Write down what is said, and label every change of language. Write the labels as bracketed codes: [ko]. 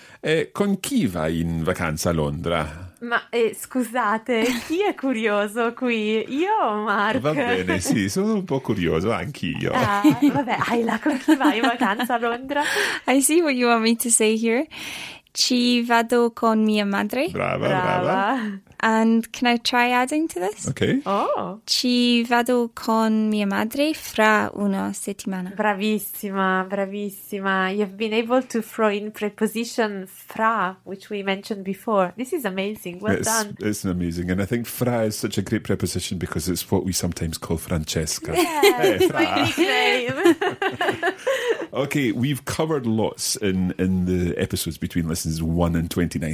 [it] E con chi vai in vacanza a Londra? Ma scusate, chi è curioso qui? Io o Mark? Va bene, sì, sono un po' curioso anch'io. Ah, vabbè, Ayla, con chi vai in vacanza a Londra? [en] I see what you want me to say here. [it] Ci vado con mia madre. Brava, brava. [en] And can I try adding to this? Okay. Oh. [it] Ci vado con mia madre fra una settimana. Bravissima, bravissima. [en] You've been able to throw in preposition fra, which we mentioned before. This is amazing. Well done. It's amazing. And I think fra is such a great preposition because it's what we sometimes call Francesca. Yeah, fra. Okay, we've covered lots in the episodes between lessons 1 and 29.